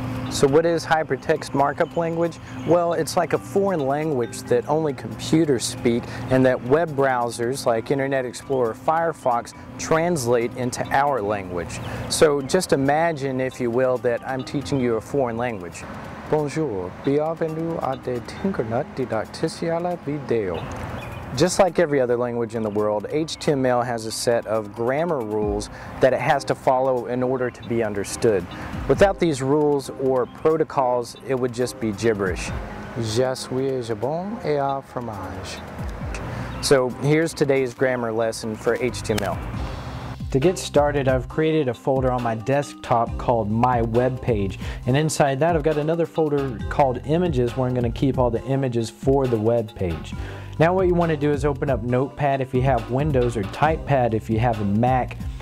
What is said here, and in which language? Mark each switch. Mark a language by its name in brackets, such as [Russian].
[English] So what is Hypertext Markup Language? Well, it's like a foreign language that only computers speak and that web browsers like Internet Explorer or Firefox translate into our language. So just imagine, if you will, that I'm teaching you a foreign language. [French] Bonjour, bienvenue à des Tinkernut didacticiale video. [English] Just like every other language in the world, HTML has a set of grammar rules that it has to follow in order to be understood. Without these rules or protocols, it would just be gibberish. [French] Je suis jambon et à fromage. [English] So here's today's grammar lesson for HTML. To get started, I've created a folder on my desktop called My Web Page, and inside that I've got another folder called Images where I'm going to keep all the images for the web page. Now what you want to do is open up Notepad if you have Windows or TypePad if you have a Mac.